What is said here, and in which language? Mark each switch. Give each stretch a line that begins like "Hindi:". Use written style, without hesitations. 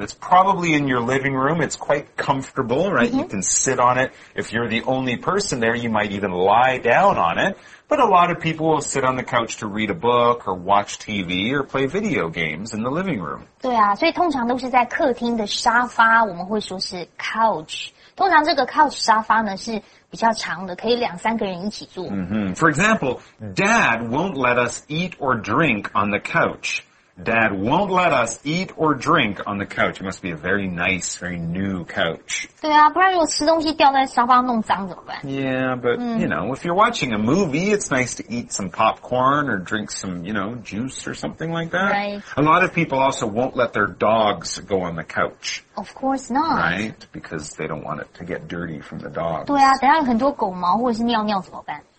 English: It's probably in your living room. It's quite comfortable, right? Mm-hmm. You can sit on it. If you're the only person there, you might even lie down on it. But a lot of people will sit on the couch to read a book or watch TV or play video games in the living room.
Chinese: 对啊，所以通常都是在客厅的沙发，我们会说是 couch。通常这个 couch 沙发呢是比较长的，可以两三个人一起坐。
English: For example, Dad won't let us eat or drink on the couch. Dad won't let us eat or drink on the couch. It must be a very nice, very new couch.
Chinese: 对啊，不然如果吃东西掉在沙发弄脏怎么办？
English: Yeah, but, you know, if you're watching a movie, it's nice to eat some popcorn or drink some, you know, juice or something like that. Right. A lot of people also won't let their dogs go on the couch. Of course not. Right, because they don't want it to get dirty from the dogs.
Chinese: 对啊，等一下很多狗毛或者是尿尿怎么办？